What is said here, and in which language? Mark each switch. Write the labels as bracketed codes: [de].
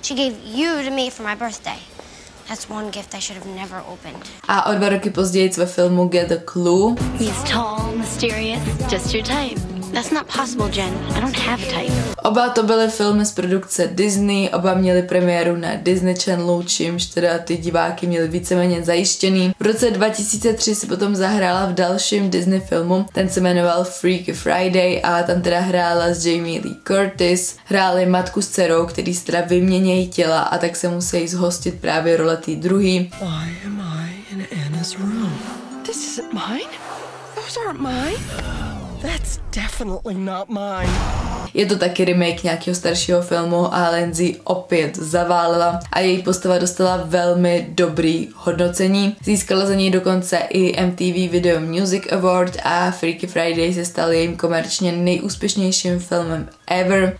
[en] She gave you to me for my birthday. That's one gift I should have never opened. [cs] A o 2 roky později ve filmu Get the Clue. [en] He's tall, mysterious, just your type. That's not possible, Jen. I don't have a type. [cs] Oba to byly filmy z produkce Disney, oba měly premiéru na Disney Channelu, čímž teda ty diváky měly víceméně zajištěný. V roce 2003 si potom zahrála v dalším Disney filmu, ten se jmenoval Freaky Friday a tam teda hrála s Jamie Lee Curtis. Hráli matku s dcerou, který se teda vyměnějí těla a tak se musí zhostit právě role tý druhý. [en] Why am I in Anna's room? This isn't mine? Those aren't mine. That's definitely not mine. [cs] Je to taky remake nějakého staršího filmu a Lindsay opět zaválila a její postava dostala velmi dobrý hodnocení. Získala za něj dokonce i MTV Video Music Award a Freaky Friday se stal jejím komerčně nejúspěšnějším filmem ever.